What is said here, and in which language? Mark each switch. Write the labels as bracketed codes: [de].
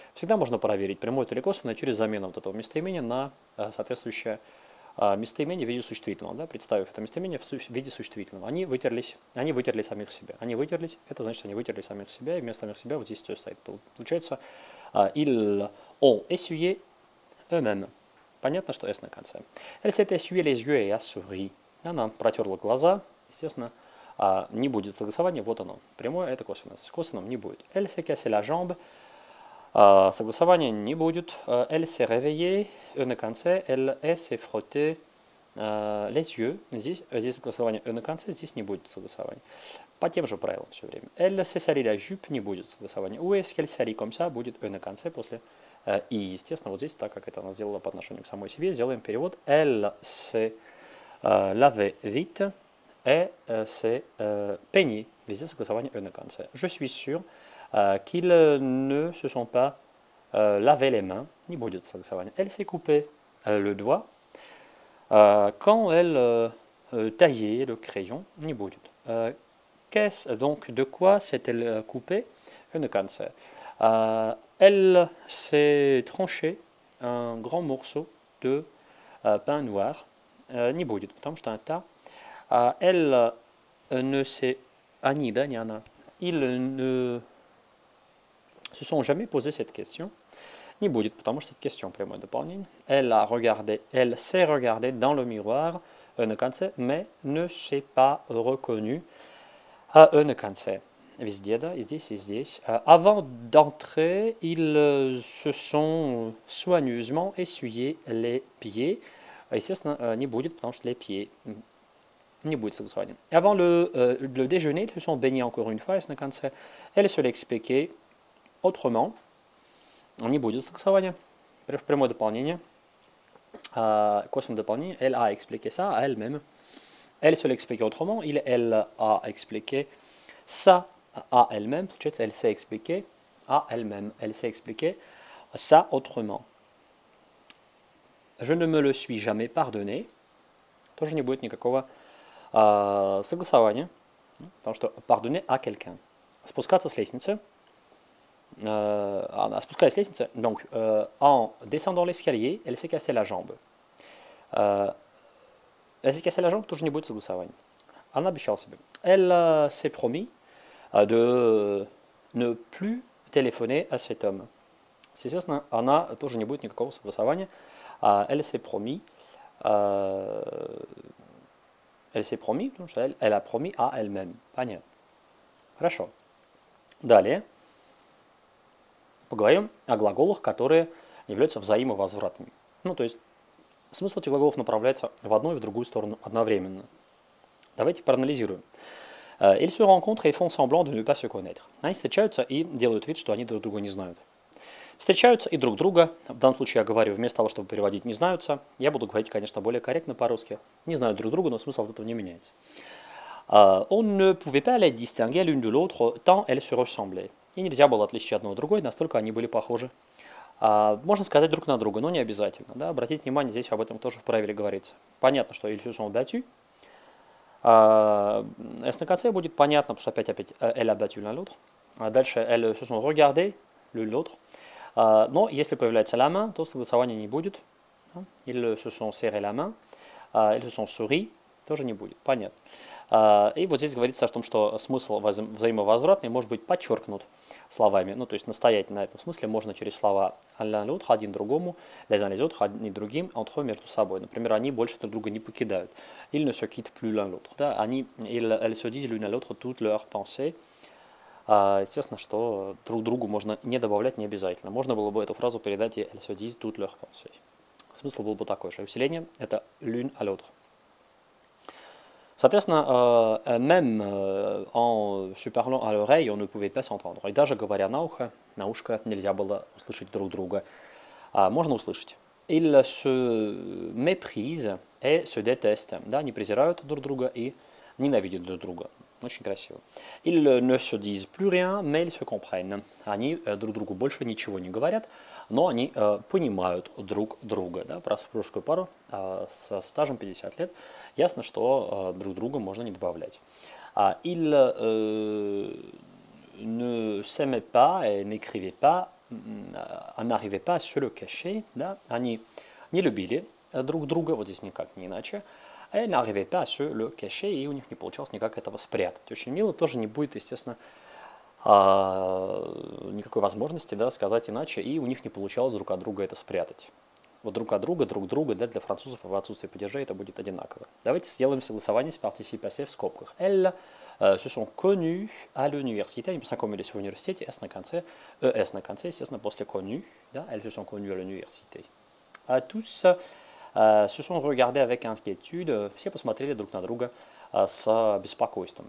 [ru] Всегда можно проверить, прямое или косвенное, через замену вот этого местоимения на соответствующее местоимение в виде существительного, да, представив это местоимение в виде существительного. Они вытерли самих себя. Они вытерлись, это значит, они вытерли самих себя, и вместо самих себя вот здесь все стоит. Получается, [fr] Ils ont essuyé eux-mêmes. [ru] Понятно, что S на конце. [fr] Elle s'est essuyé les yeux et a souri. [ru] Она протерла глаза. Естественно, не будет согласования. Вот оно. Прямое – это косвенное. С косвенным не будет. [fr] Elle s'est cassé la jambe. [ru] Согласования не будет. [fr] Elle s'est réveillée. [ru] E на конце. [fr] Elle s'est frottée. Les yeux. [ru] Здесь согласование E на конце. Здесь не будет согласования. По тем же правилам все время. [fr] Elle s'est salie la jupe. [ru] Не будет согласования. [fr] Où est-ce qu'elle salie comme ça? [ru] Будет E на конце после и, естественно, вот здесь, так как это она сделала по отношению к самой себе, сделаем перевод. [fr] Elle s'est lavé vite et s'est peigné. [ru] Везде согласование E на конце. [fr] Je suis sûr qu'ils ne se sont pas lavé les mains. [ru] Не будет согласования. [fr] Elle s'est coupée le doigt. Quand elle taillait le crayon, [ru] не будет. [fr] Qu'est-ce donc de quoi s'est-elle coupée? [ru] E на конце. [fr] Elle s'est tranchée un grand morceau de pain noir, [ru] ni будет, потому что это. [fr] Elle ne s'est ni да ni она. Ils ne se sont jamais posé cette question, [ru] ni будет, потому что [fr] cette question [ru] прямое дополнение. [fr] Elle a regardé, elle s'est regardée dans le miroir, ne kan se, mais ne s'est pas reconnue, ne kan se. [ru] Везде, да, и здесь, и здесь. [fr] Avant d'entrer, ils se sont soigneusement essuyé les pieds. [ru] Естественно, не будет, потому что les pieds. Не будет согласования. [fr] Avant le déjeuner, ils se sont baignés encore une fois. [ru] Естественно, [fr] quand c'est, elle se l'expliquait autrement. [ru] Не будет согласования. Bref, прямое дополнение. Косвенное дополнение. [fr] Elle a expliqué ça à elle-même. Elle se l'expliquait autrement. Elle a expliqué ça à elle-même, elle s'est expliquée à elle-même, elle s'est expliquée ça autrement. Je ne me le suis jamais pardonné. [ru] Тоже не будет никакого согласования, потому что [fr] pardonner à quelqu'un. [ru] Спускаться с лестницы. Спускаясь с лестницы, [fr] donc en descendant l'escalier, elle s'est cassée la jambe. Elle s'est cassée la jambe, [ru] тоже не будет согласования. Она обещала себе. [fr] Elle s'est promis de ne plus téléphoner à cet homme. [ru] C'est ça, она тоже не будет никакого согласования. [fr] Elle s'est promis, elle a promis à elle-même. [ru] Понятно. Хорошо. Далее. Поговорим о глаголах, которые являются взаимовозвратными. Ну, то есть, смысл этих глаголов направляется в одну и в другую сторону одновременно. Давайте проанализируем. [fr] Ils se rencontrent et font semblant de ne pas se connaître. [ru] Они встречаются и делают вид, что они друг друга не знают. Встречаются и друг друга, в данном случае я говорю, вместо того, чтобы переводить «не знаются», я буду говорить, конечно, более корректно по-русски. Не знают друг друга, но смысл от этого не меняется. [fr] On ne pouvait pas les distinguer l'une de l'autre, tant elles se ressemblaient. [ru] И нельзя было отличить одно от другой, настолько они были похожи. Можно сказать друг на друга, но не обязательно. Да? Обратите внимание, здесь об этом тоже в правиле говорится. Понятно, что [fr] «ils se sont battus». [ru] S на конце будет понятно, потому что опять [fr] elle a battu l'un l'autre. [ru] Дальше [fr] elle se sont regardé l'un l'autre. [ru] Но если появляется la main, то согласования не будет. [fr] Ils se sont serré la main. Ils se sont souri. [ru] Тоже не будет. Понятно. И вот здесь говорится о том, что смысл взаимовозвратный может быть подчеркнут словами. Ну, то есть настоять на этом смысле можно через слова l'un l'autre, один другому, [fr] les uns les autres, [ru] одни другим, entre между собой. Например, они больше друг друга не покидают. [fr] Ils ne se quittent plus l'un l'autre. [ru] Да? Они, [fr] elles se disent l'un à l'autre toutes leurs pensées. [ru] Естественно, что друг другу можно не добавлять, не обязательно. Можно было бы эту фразу передать и [fr] elles se disent toutes leurs pensées. [ru] Смысл был бы такой же. Усиление – это [fr] l'un à l'autre. Соответственно, même en se parlant à l'oreille, on ne pouvait pas s'entendre. [ru] И даже говоря на ухо, на ушко, нельзя было услышать друг друга. Можно услышать. [fr] Ils se méprisent et se détestent. [ru] Да, они презирают друг друга и ненавидят друг друга. Очень красиво. [fr] Ils ne se disent plus rien, mais ils se comprennent. [ru] Они друг другу больше ничего не говорят, но они понимают друг друга. Да, про супружескую пару со стажем 50 лет. Ясно, что друг друга можно не добавлять. [fr] Ils ne s'aimaient pas et n'écrivaient pas, n'arrivaient pas à se le cacher. [ru] Да? Они не любили друг друга, вот здесь никак не иначе. [fr] Et n'arrivaient pas à se le cacher, [ru] и у них не получалось никак этого спрятать. Очень мило, тоже не будет, естественно, никакой возможности, да, сказать иначе, и у них не получалось друг от друга это спрятать. Вот друг от друга, друг друга, да, для французов в отсутствии падежей это будет одинаково. Давайте сделаем согласование с participe в скобках. [fr] Elles se sont connues à l'université. [ru] Они познакомились в университете, [fr] s на конце, es на конце, естественно, после connues, да, elles se sont connues à l'université. À tous se sont regardés avec inquiétude. [ru] Все посмотрели друг на друга с беспокойством.